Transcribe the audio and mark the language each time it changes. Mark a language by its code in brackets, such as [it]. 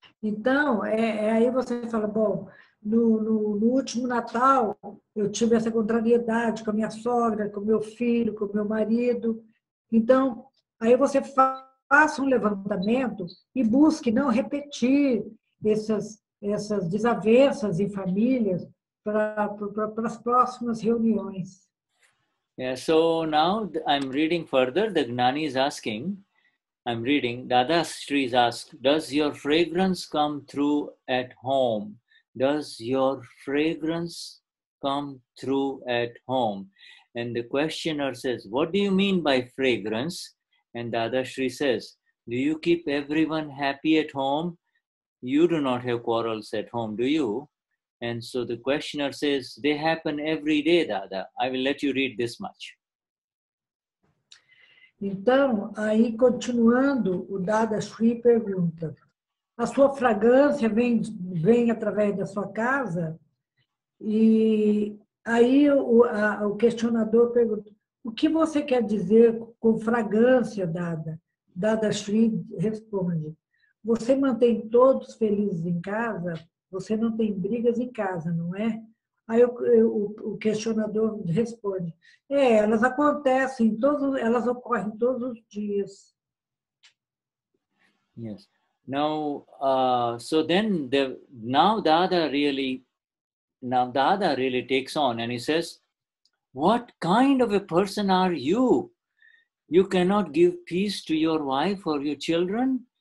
[pt] Então, aí você fala, bom, no último Natal, eu tive essa contrariedade com a minha sogra, com o meu filho, com o meu marido. Então, aí você faça um levantamento e busque não repetir essas desavenças em famílias para as próximas reuniões. [en] Yeah, so now I'm reading further. The Gnani is asking, I'm reading, Dadashri is asking, does your fragrance come through at home? Does your fragrance come through at home? And the questioner says, what do you mean by fragrance? And Dadashri says, do you keep everyone happy at home? You do not have quarrels at home, do you? And so the questioner says, they happen every day, Dada. I will let you read this much. [pt] Então, aí continuando, o Dadashri pergunta, a sua fragrância vem através da sua casa? E aí o questionador pergunta, o que você quer dizer com fragrância, Dada? Dadashri responde, você mantém todos felizes em casa? Você não tem brigas em casa, não é? Aí o questionador responde, é, elas acontecem, elas ocorrem todos os dias. [en] Yes. Now, so then, Dada really takes on and he says, what kind of a person are you? You cannot give peace to your wife or your children.